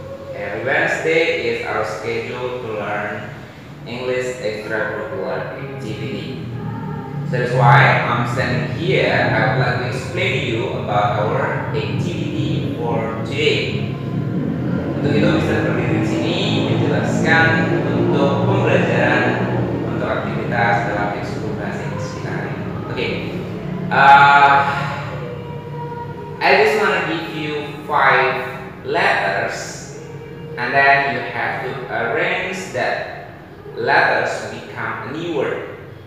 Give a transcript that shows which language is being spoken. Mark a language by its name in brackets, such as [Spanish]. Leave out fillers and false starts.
[English] Every Wednesday is our schedule to learn English extracurricular activity. That is why I'm standing here. I would like to explain to you about our activity for today. [Indonesian] Untuk itu, Mister berdiri di sini menjelaskan untuk pembelajaran untuk aktivitas dalam ekskul bahasa Inggris kita. Oke. [English] I just want to give you 5 letters, and then you have to arrange that letters become a new word.